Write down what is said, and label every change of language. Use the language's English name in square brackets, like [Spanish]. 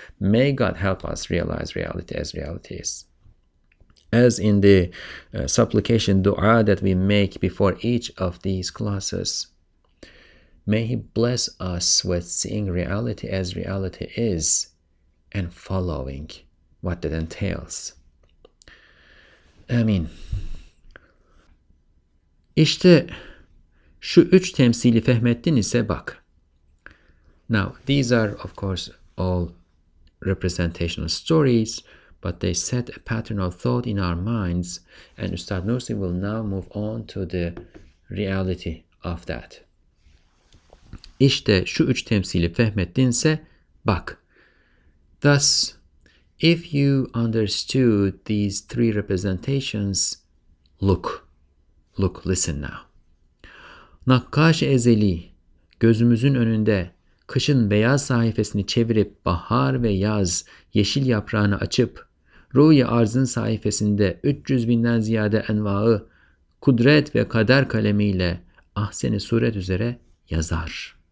[English] May God help us realize reality as reality is. As in the supplication dua that we make before each of these classes, may He bless us with seeing reality as reality is and following what that entails. Amin. [Turkish] İşte şu üç temsili fehmettin ise bak. [English] Now, these are of course all representational stories, but they set a pattern of thought in our minds, and Ustad Nursi will now move on to the reality of that. [Turkish] İşte şu üç temsili fehmettin ise bak. [English] Thus, if you understood these three representations, look, listen now. [Turkish] Nakkaş ezeli, gözümüzün önünde, kışın beyaz sayfasını çevirip, bahar ve yaz, yeşil yaprağını açıp, ruh-i arzın sayfasında 300 binden ziyade envaı, kudret ve kader kalemiyle ahsen-i suret üzere yazar.